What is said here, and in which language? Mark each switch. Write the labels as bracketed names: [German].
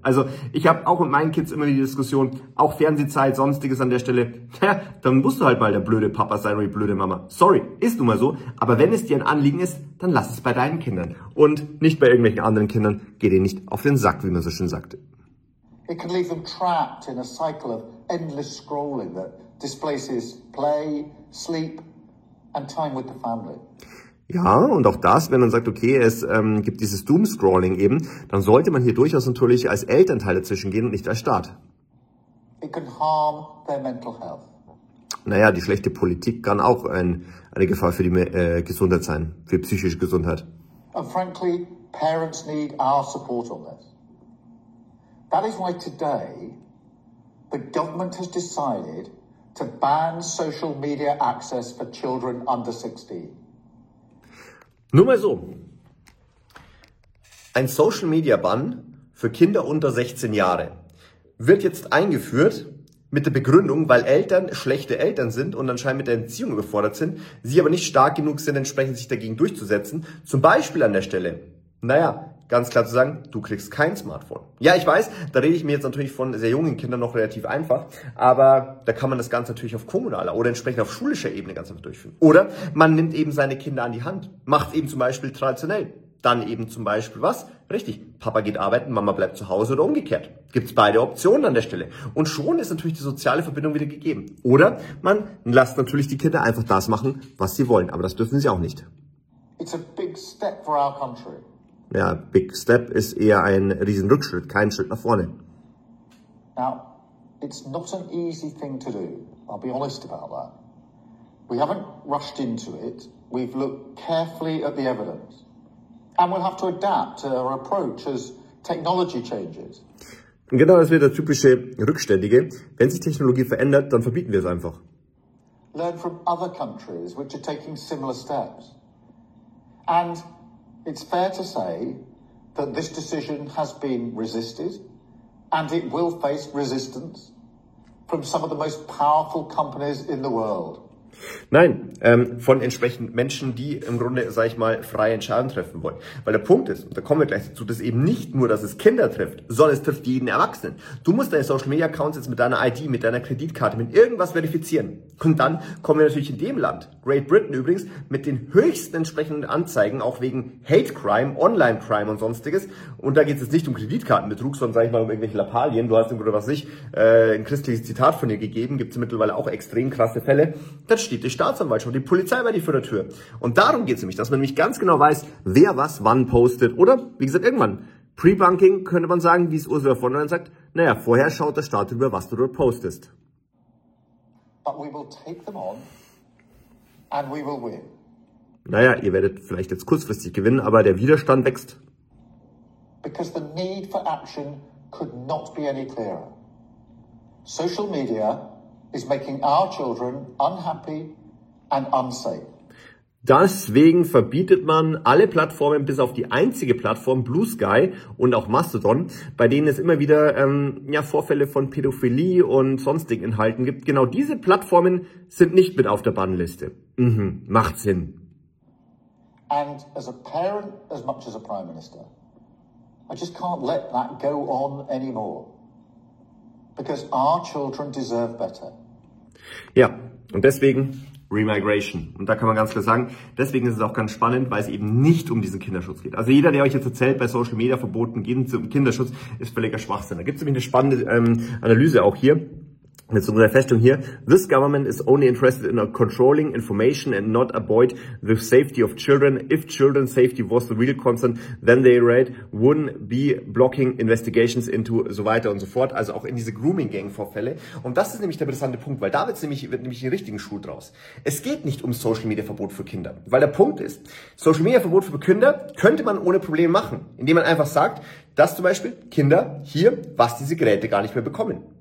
[German] Also ich habe auch mit meinen Kids immer die Diskussion, auch Fernsehzeit, sonstiges an der Stelle, naja, dann musst du halt mal der blöde Papa sein oder die blöde Mama. Sorry, ist nun mal so, aber wenn es dir ein Anliegen ist, dann lass es bei deinen Kindern und nicht bei irgendwelchen anderen Kindern, geh dir nicht auf den Sack, wie man so schön sagt. [English] It can leave them trapped in a cycle of endless scrolling that displaces play, sleep, and time with the family. [German] Ja, und auch das, wenn man sagt, okay, es gibt dieses Doomscrolling eben, dann sollte man hier durchaus natürlich als Elternteil dazwischen gehen und nicht als Staat. [English] It can harm their mental health. [German] Naja, die schlechte Politik kann auch eine Gefahr für die Gesundheit sein, für psychische Gesundheit. [English] And frankly, parents need our support on this. That is why today the government has decided to ban social media access for children under 16. [German] Nur mal so. Ein Social Media Ban für Kinder unter 16 Jahre wird jetzt eingeführt mit der Begründung, weil Eltern schlechte Eltern sind und anscheinend mit der Erziehung überfordert sind, sie aber nicht stark genug sind, entsprechend sich dagegen durchzusetzen. Zum Beispiel an der Stelle, naja, ganz klar zu sagen, du kriegst kein Smartphone. Ja, ich weiß, da rede ich mir jetzt natürlich von sehr jungen Kindern noch relativ einfach, aber da kann man das Ganze natürlich auf kommunaler oder entsprechend auf schulischer Ebene ganz einfach durchführen. Oder man nimmt eben seine Kinder an die Hand, macht eben zum Beispiel traditionell. Dann eben zum Beispiel was? Richtig, Papa geht arbeiten, Mama bleibt zu Hause oder umgekehrt. Gibt's beide Optionen an der Stelle. Und schon ist natürlich die soziale Verbindung wieder gegeben. Oder man lässt natürlich die Kinder einfach das machen, was sie wollen. Aber das dürfen sie auch nicht. [English] It's a big step for our country. [German] Ja, [English] big step [German] ist eher ein riesen Rückschritt, kein Schritt nach vorne. [English] Now, it's not an easy thing to do. I'll be honest about that. We haven't rushed into it. We've looked carefully at the evidence. And we'll have to adapt our approach as technology changes. [German] Genau, das wäre der typische Rückständige. Wenn sich Technologie verändert, dann verbieten wir es einfach. [English] Learn from other countries which are taking similar steps. And it's fair to say that this decision has been resisted and it will face resistance from some of the most powerful companies in the world. [German] Nein, von entsprechend Menschen, die im Grunde, sag ich mal, freie Entscheidungen treffen wollen. Weil der Punkt ist, und da kommen wir gleich dazu, dass eben nicht nur, dass es Kinder trifft, sondern es trifft jeden Erwachsenen. Du musst deine Social Media Accounts jetzt mit deiner ID, mit deiner Kreditkarte, mit irgendwas verifizieren. Und dann kommen wir natürlich in dem Land, Great Britain übrigens, mit den höchsten entsprechenden Anzeigen, auch wegen Hate Crime, Online Crime und sonstiges. Und da geht es jetzt nicht um Kreditkartenbetrug, sondern, sag ich mal, um irgendwelche Lappalien. Du hast im Grunde, was ich, ein christliches Zitat von dir gegeben, gibt es mittlerweile auch extrem krasse Fälle. Das steht die Staatsanwaltschaft, die Polizei bei dir vor der Tür. Und darum geht es nämlich, dass man nämlich ganz genau weiß, wer was wann postet. Oder, wie gesagt, irgendwann. Pre-Bunking könnte man sagen, wie es Ursula von der Leyen sagt, naja, vorher schaut der Staat über, was du dort postest. [English] But we will take them on and we will win. [German] Naja, ihr werdet vielleicht jetzt kurzfristig gewinnen, aber der Widerstand wächst. [English] Because the need for action could not be any clearer. Social media is making our children unhappy and unsafe. [German] Deswegen verbietet man alle Plattformen, bis auf die einzige Plattform, Blue Sky und auch Mastodon, bei denen es immer wieder Vorfälle von Pädophilie und sonstigen Inhalten gibt. Genau diese Plattformen sind nicht mit auf der Bannliste. Mhm, macht Sinn. [English] And as a parent, as much as a prime minister, I just can't let that go on anymore. Because our children deserve better. [German] Ja, und deswegen Remigration. Und da kann man ganz klar sagen, deswegen ist es auch ganz spannend, weil es eben nicht um diesen Kinderschutz geht. Also jeder, der euch jetzt erzählt, bei Social Media verboten gehen zum Kinderschutz, ist völliger Schwachsinn. Da gibt es nämlich eine spannende Analyse auch hier, mit so einer Festung hier. [English] This government is only interested in controlling information and not avoid the safety of children. If children's safety was the real concern, then they read wouldn't be blocking investigations into [German] so weiter und so fort. Also auch in diese Grooming-Gang-Vorfälle. Und das ist nämlich der interessante Punkt, weil da wird nämlich die richtigen Schuh draus. Es geht nicht um Social-Media-Verbot für Kinder. Weil der Punkt ist, Social-Media-Verbot für Kinder könnte man ohne Probleme machen, indem man einfach sagt, dass zum Beispiel Kinder hier, was diese Geräte gar nicht mehr bekommen.